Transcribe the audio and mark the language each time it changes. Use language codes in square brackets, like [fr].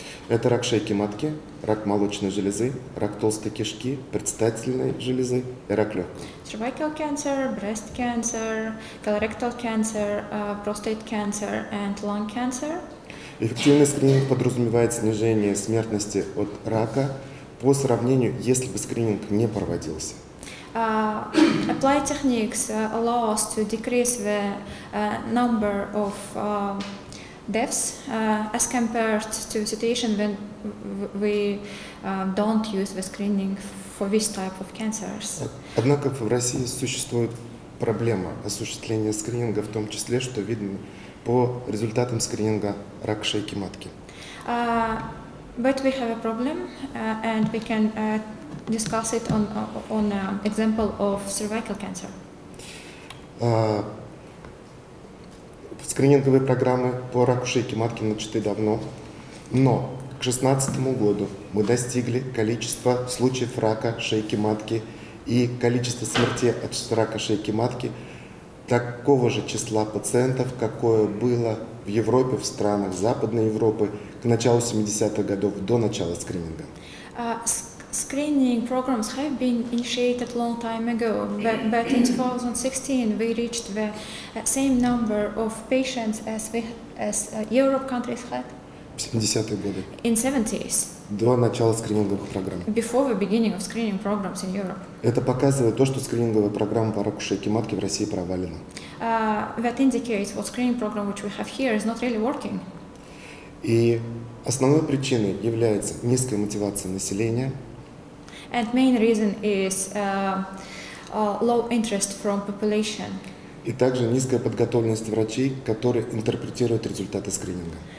[ru] Это рак шейки матки, рак молочной железы, рак толстой кишки, предстательной железы и рак легкого. [en] Cervical cancer, breast cancer, colorectal cancer, prostate cancer and lung cancer. [ru] Эффективный скрининг подразумевает снижение смертности от рака по сравнению, если бы скрининг не проводился. [en] Applied techniques allow us to decrease the number of deaths as compared to situation when we don't use the screening for this type of cancers. [ru] Однако в России существует проблема осуществления скрининга, в том числе, что видно по результатам скрининга рак шейки матки. [en] But we have a problem, and we can discuss it on an example of cervical cancer. [ru] Скрининговые программы по раку шейки матки начаты давно, но к 2016 году мы достигли количества случаев рака шейки матки и количества смертей от рака шейки матки такого же числа пациентов, какое было в Европе, в странах Западной Европы к началу 70-х годов, до начала скрининга. [en] Screening programs have been initiated long time ago, but in 2016 we reached the same number of patients as Europe countries had. [ru] В 70-х годы. [en] In 70s. [ru] До начала скрининговых программ. [en] Before the beginning of screening programs in Europe. [ru] Это показывает то, что скрининговая программа по раку шейки матки в России провалена. [en] That indicates what screening program which we have here is not really working. [ru] И основной причиной является низкая мотивация населения. [en] And main reason is low interest from population. [ru] И также низкая подготовленность врачей, которые интерпретируют результаты скрининга.